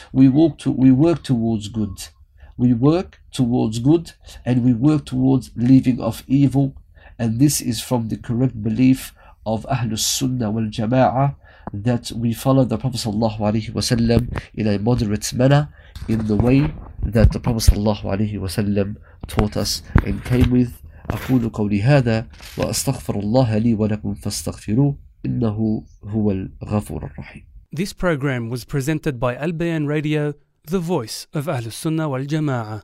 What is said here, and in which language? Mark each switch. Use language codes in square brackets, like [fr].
[en] We work towards good. We work towards good and we work towards leaving of evil. And this is from the correct belief of Ahlus Sunnah wal Jama'ah, that we follow the Prophet sallallahu alaihi wasallam in a moderate manner, in the way that the Prophet sallallahu alaihi wasallam taught us and came with. [ar] أقول قولي هذا وأستغفر الله لي ولكم فاستغفروا إنه هو الغفور الرحيم. [en] This program was presented by Al Bayan Radio, the voice of Ahlus Sunnah wal Jama'ah.